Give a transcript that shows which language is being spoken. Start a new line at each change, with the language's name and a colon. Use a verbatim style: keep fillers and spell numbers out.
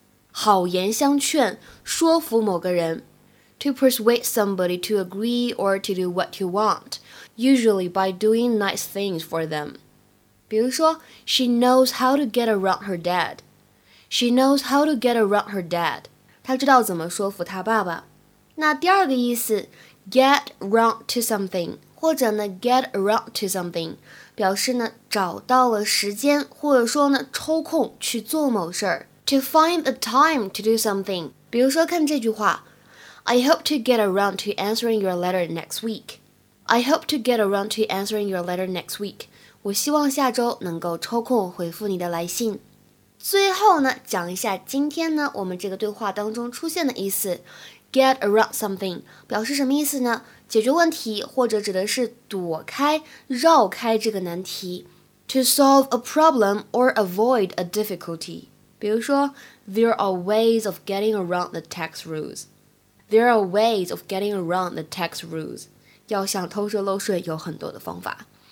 Chinese: 好言相劝，说服某个人。
English: To persuade somebody to agree or to do what you want, usually by doing nice things for them.
Chinese: 比如说
English: She knows how to get around her dad. She knows how to get around her dad.
Chinese: 她知道怎么说服她爸爸。那第二个意思
English: get round to something
Chinese: 或者呢
English: get around to something
Chinese: 表示呢找到了时间，或者说呢抽空去做某事儿。
English: To find a time to do something.
Chinese: 比如说看这句话
English: I hope to get around to answering your letter next week. I hope to get around to answering your letter next week.
Chinese: 我希望下周能够抽空回复你的来信。最后呢，讲一下今天呢我们这个对话当中出现的意思
English: get around something
Chinese: 表示什么意思呢？解决问题，或者指的是躲开，绕开这个难题。
English: To solve a problem or avoid a difficulty.
Chinese: 比如说
English: There are ways of getting around the tax rules. There are ways of getting around the tax rules.
Chinese: 要想偷税漏税有很多的方法。